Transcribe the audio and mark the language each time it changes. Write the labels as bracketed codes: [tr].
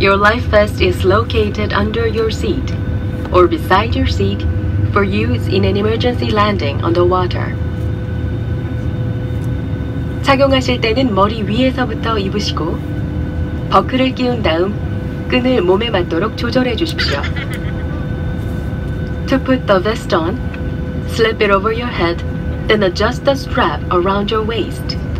[en] Your life vest is located under your seat or beside your seat for use in an emergency landing on the water. [ko] 착용하실 때는 머리 위에서부터 입으시고 버클을 끼운 다음 끈을 몸에 맞도록 조절해 주십시오. [en] To put the vest on, slip it over your head, then adjust the strap around your waist.